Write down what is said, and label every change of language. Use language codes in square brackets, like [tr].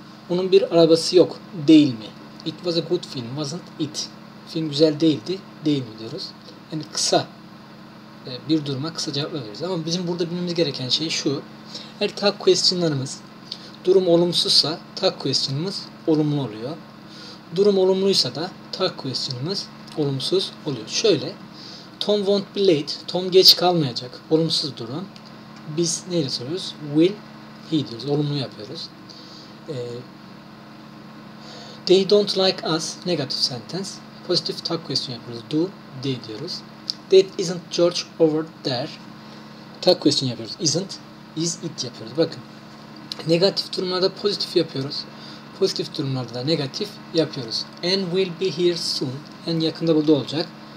[tr] Onun bir arabası yok, değil mi? [en] It was a good film, wasn't it? [tr] Film güzel değildi, değil mi diyoruz. Yani kısa bir duruma kısa cevap veriyoruz. Ama bizim burada bilmemiz gereken şey şu. Her tag question'larımız durum olumsuzsa tag question'ımız olumlu oluyor. Durum olumluysa da tag question'ımız olumsuz oluyor. Şöyle, [en] Tom won't be late. [tr] Tom geç kalmayacak. Olumsuz durum. Biz neyle soruyoruz? [en] Will he [tr] diyoruz. Olumlu yapıyoruz. [en] They don't like us. Negative sentence. Positive tag question [tr] yapıyoruz. [en] Do, they [tr] diyoruz. [en] That isn't George over there. [tr] Tag question yapıyoruz. [en] Isn't. Is it [tr] yapıyoruz. Bakın. Negatif durumlarda pozitif yapıyoruz. Pozitif durumlarda da negatif yapıyoruz. [en] And will be here soon. [tr] En yakında burada olacak.